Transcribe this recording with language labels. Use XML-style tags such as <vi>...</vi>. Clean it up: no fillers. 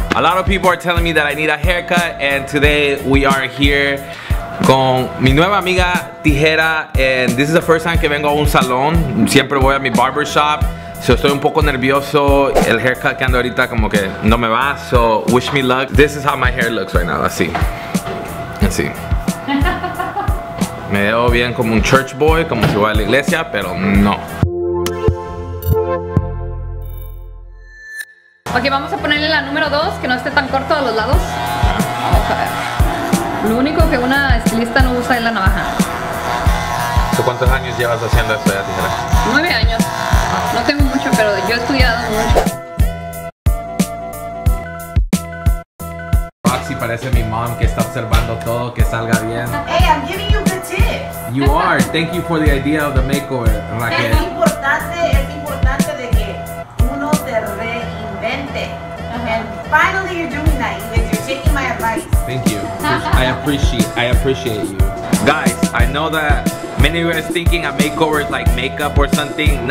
<en>A lot of people are telling me that I need a haircut, and today we are here con mi nueva amiga Tijera, and this is the first time que vengo a un salón.</en> <es>Siempre voy a mi barber shop. So estoy un poco nervioso. El haircut que ando ahorita como que no me va.</es> <en>So wish me luck. This is how my hair looks right now.</en> <es>Así. Así. Me veo bien como un church boy, como si voy a la iglesia, pero no. Ok, vamos a ponerle la número 2, que no esté tan corto a los lados. Okay. Lo único que una estilista no usa es la navaja. ¿Cuántos años llevas haciendo esto ya, Tijera? 9 años. No tengo mucho, pero yo he estudiado mucho. Roxy parece mi mom, que está observando todo, que salga bien.</es> <en>Hey, I'm giving you good tips. You are. Thank you for the idea of the makeover, Raquel.</en> <es>Es importante de que uno te reinvente.</es> <en>And finally you're doing that. Taking my advice. Thank you. I appreciate you. Guys, I know that many of you are thinking a makeover is like makeup or something.</en>